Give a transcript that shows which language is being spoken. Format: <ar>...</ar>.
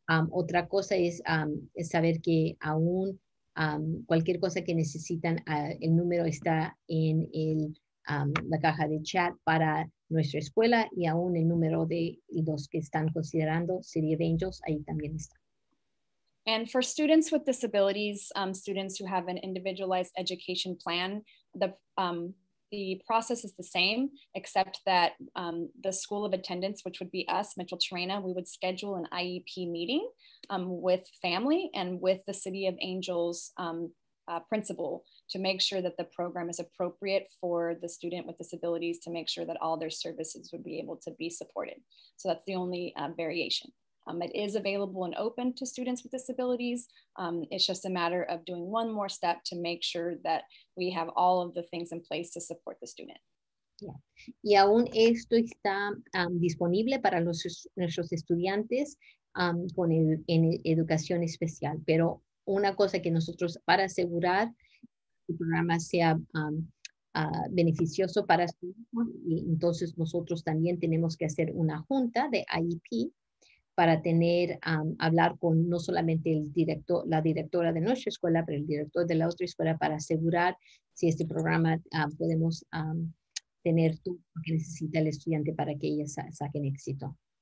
<es>Otra cosa es saber que aún cualquier cosa que necesitan, el número está en la caja de chat para nuestra escuela y aún el número de los que están considerando Serie of Angels, ahí también está.</es> <en>And for students with disabilities, students who have an individualized education plan, the process is the same, except that the school of attendance, which would be us, Micheltorena, we would schedule an IEP meeting with family and with the City of Angels principal to make sure that the program is appropriate for the student with disabilities, to make sure that all their services would be able to be supported. So that's the only variation. It is available and open to students with disabilities. It's just a matter of doing one more step to make sure that we have all of the things in place to support the student.</en> <es>Yeah. Y aún esto está disponible para nuestros estudiantes con en educación especial. Pero una cosa que nosotros, para asegurar que el programa sea beneficioso para estudiantes, y entonces nosotros también tenemos que hacer una junta de IEP para tener, hablar con no solamente el director, la directora de nuestra escuela, pero el director de la otra escuela para asegurar si este programa podemos tener todo lo que necesita el estudiante para que ellas saquen éxito.</es>